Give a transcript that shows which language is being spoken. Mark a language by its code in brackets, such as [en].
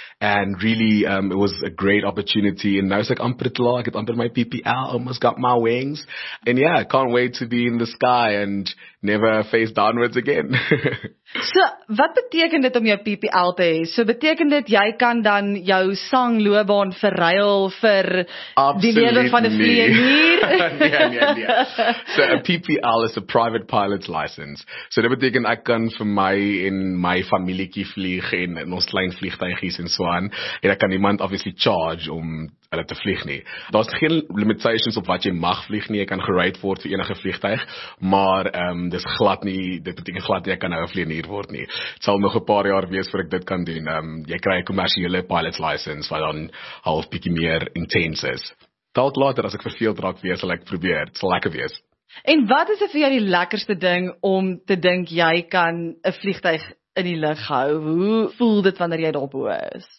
[en] And really, it was a great opportunity and nou is ek amper klaar, ek het amper my PPL, almost got my wings. And yeah, can't wait to be in the sky and never face downwards again. [af] So, wat beteken dit om jou PPL te hê? So beteken dit jy kan dan jou sangloopbaan verruil vir die lewe van 'n vlieger? [en] Nee. So, a PPL is a private pilot's license. [af] So, dit beteken ek kan vir my en my familiekie vlieg en in ons klein vliegtuigies en so aan. En ek kan niemand obviously charge om hulle te vlieg nie. Daar is geen limitations op wat jy mag vlieg nie. Jy kan gerate word vir enige vliegtuig, maar dis glad nie, dit beteken glad nie, jy kan nou 'n vlieënier word nie. Het sal nog 'n paar jaar wees voor ek dit kan doen. Jy kry 'n kommersiële pilot's license wat dan half bietjie meer intense is. Dalk later as ek verveeld raak weer sal ek probeer, dit sal lekker wees. En wat is vir jou die lekkerste ding om te dink jy kan 'n vliegtuig in die lug hou? Hoe voel dit wanneer jy daarop hoog is?